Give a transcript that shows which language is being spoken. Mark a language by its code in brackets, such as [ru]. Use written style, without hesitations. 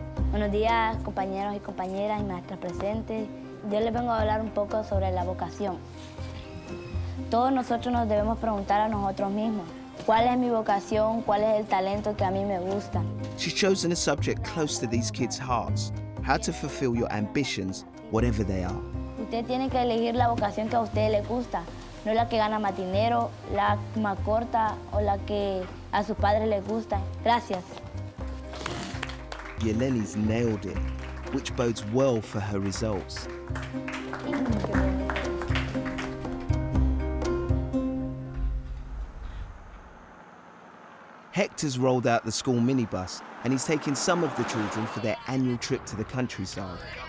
[es] Buenos días, compañeros y compañeras y maestras presentes. Yo les vengo a hablar un poco sobre la vocación. Todos nosotros nos debemos preguntar a nosotros mismos, ¿cuál es mi vocación? ¿Cuál es el talento que a mí me gusta? [en] She's chosen a subject close to these kids' hearts, how to fulfill your ambitions, whatever they are. [es] Usted tiene que elegir la vocación que a usted le gusta, no la que gana más dinero, la más corta o la que a sus padres les gusta. Gracias. [en] Yeleni's nailed it, which bodes well for her results. Hector's rolled out the school minibus, and he's taking some of the children for their annual trip to the countryside.